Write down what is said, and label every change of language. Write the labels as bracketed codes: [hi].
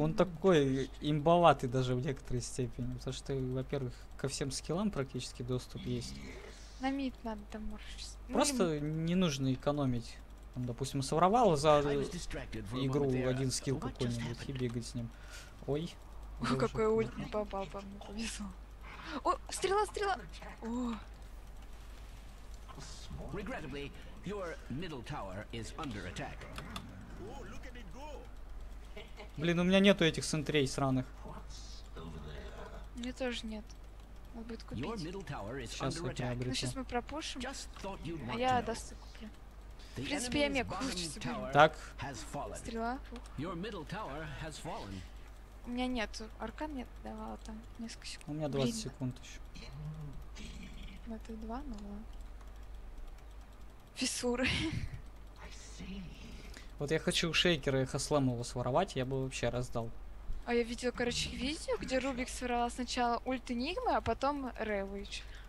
[ru] Он такой имбоватый даже в некоторой степени. Потому что, во-первых, ко всем скиллам практически доступ есть. На мид надо там морщиться. Просто не нужно экономить. Он, допустим, совровал за игру один скилл какой-нибудь и бегать с ним. Ой. Ой, какой ульт не попал, по-моему, повезло. О, стрела, стрела! О. [en] Regrettably, your middle tower is under attack. [ru] Блин, у меня нету этих сентрей сраных. Мне тоже нет. Надо будет купить. Сейчас я приобрету. Ну, сейчас мы пропушим. А я досы куплю. В принципе, я мег лучше соберу. Так. Стрела. [en] Your middle tower has fallen. [ru] У меня нет, аркан мне давала там несколько секунд. У меня 20 Блин. Секунд еще. Ну это 2, ну ладно. Фиссуры. Вот я хочу у Шейкера и Хаслэм его своровать, я бы вообще раздал. А я видел, короче, видео, где Рубик своровал сначала ульт Энигмы, а потом Рэвич.